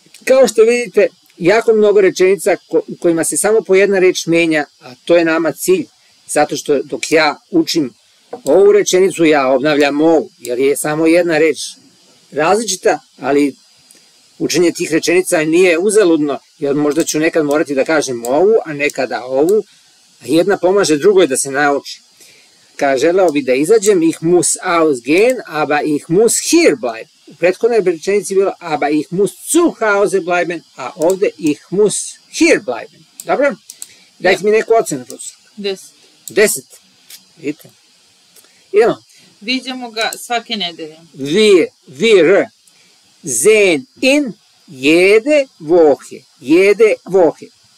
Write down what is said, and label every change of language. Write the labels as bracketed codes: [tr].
[sr] Kao što vidite, jako mnogo rečenica u kojima se samo po jedna reč menja, a to je nama cilj, zato što dok ja učim ovu rečenicu, ja obnavljam ovu, jer je samo jedna reč različita, ali učenje tih rečenica nije uzaludno, jer možda ću nekad morati da kažem ovu, a nekada ovu, a jedna pomaže drugoj da se nauči. Kada želeo bi da izađem, [de] ich muss ausgehen, aber ich muss hier bleiben. [sr] U prethodnoj rečenici bilo, [de] aber ich muss zu Hause bleiben, [sr] a ovde [de] ich muss hier bleiben. [sr] Dobro? Dajte mi neku ocenu. 10. Vidite. Idemo. Viđamo ga svake nedelje. [de] Wir sehen ihn jede Woche.